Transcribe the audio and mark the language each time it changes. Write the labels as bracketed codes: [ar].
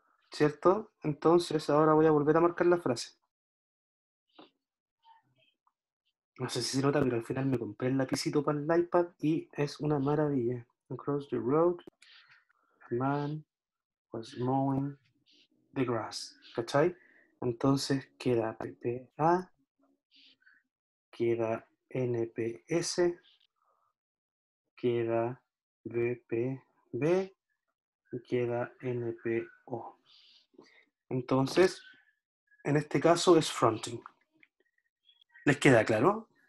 [es] ¿Cierto? Entonces, ahora voy a volver a marcar la frase. No sé si se nota, pero al final me compré el lapicito para el iPad y es una maravilla. [en] Across the road, a man was mowing the grass. [es] ¿Cachai? Entonces, queda PPA, queda NPS, queda VPB y queda NPO. Entonces, en este caso es fronting. ¿Les queda claro?